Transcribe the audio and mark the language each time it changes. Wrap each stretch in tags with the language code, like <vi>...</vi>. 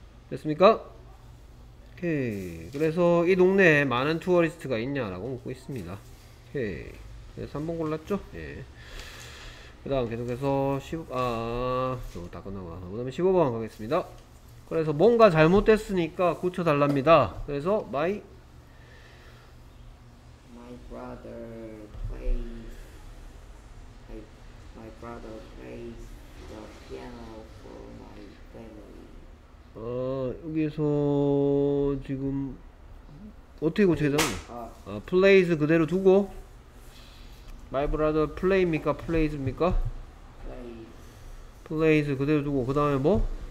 <ko>됐습니까? 오케이. 그래서 이 동네에 많은 투어리스트가 있냐라고 묻고 있습니다. 오케이. 그래서 3번 골랐죠? 예. 그 다음 계속해서 다 끝나고 그 다음에 15번 가겠습니다. 그래서 뭔가 잘못됐으니까 고쳐달랍니다. 그래서</ko> <en>My brother plays the piano for my family.</en> <ko>어, 여기서 지금 어떻게 고쳐야 되나? Plays 그대로 두고</ko> <en>My brother play</en> <ko>입니까? Plays입니까?</ko> <en>Plays</en> <ko>그대로 두고 그 다음에 뭐?</ko>